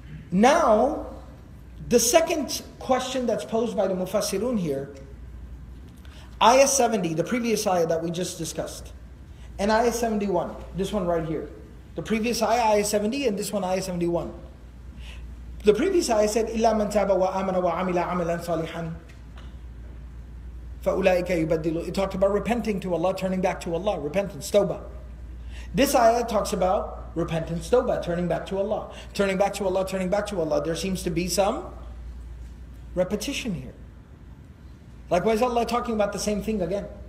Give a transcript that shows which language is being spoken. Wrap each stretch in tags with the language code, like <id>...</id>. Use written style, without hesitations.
<en>Now, the second question that's posed by the Mufassirun here, ayah 70, the previous ayah that we just discussed, and ayah 71, this one right here. The previous ayah, ayah 70, and this one, ayah 71. The previous ayah said,</en> <ar>إِلَّا مَنْ تَابَ وَآمَنَ وَعَمِلَ عَمِلًا صَالِحًا فَأُولَٰئِكَ يُبَدِّلُ.</ar> <en>It talked about repenting to Allah, turning back to Allah, repentance, tawbah. This ayah talks about repentance, tawbah, turning back to Allah. Turning back to Allah, turning back to Allah. There seems to be some repetition here. Like, why is Allah talking about the same thing again?</en>